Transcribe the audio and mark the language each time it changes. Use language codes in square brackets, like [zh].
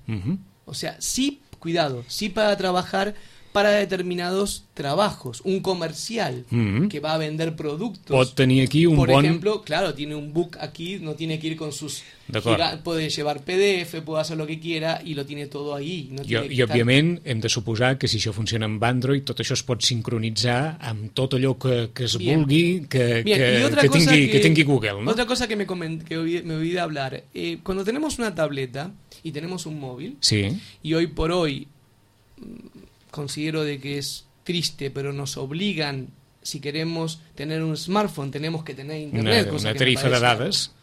[es] Uh-huh. O sea, sí, cuidado, sí para trabajar para determinados trabajos. Un comercial que va a vender productos. [ca] Pot tenir aquí un [es] por ejemplo, claro, tiene un book aquí, no tiene que ir con sus... Puede llevar PDF, puede hacer lo que quiera y lo tiene todo ahí. No [ca] I, i òbviament hem de suposar que si això funciona amb Android, tot això es pot sincronitzar amb tot allò que es vulgui que tingui Google. [es] Otra cosa que me olvidé de hablar. Cuando tenemos una tableta y tenemos un móvil, sí, y hoy por hoy... considero de que es triste, pero nos obligan, si queremos tener un smartphone, tenemos que tener internet. [ca] Una tarifa de dades.